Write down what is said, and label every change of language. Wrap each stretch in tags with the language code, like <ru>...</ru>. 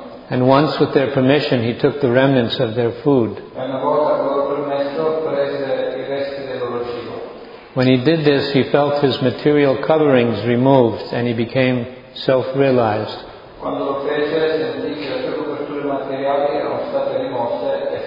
<en>And once with their permission he took the remnants of their food.</en> <it>E una volta con loro permesso prese i resti del loro cibo.</it> <en>When he did this he felt his material coverings removed and he became self-realized.</en> <it>Quando lo fece sentì che le sue coperture materiali erano state rimosse.</it>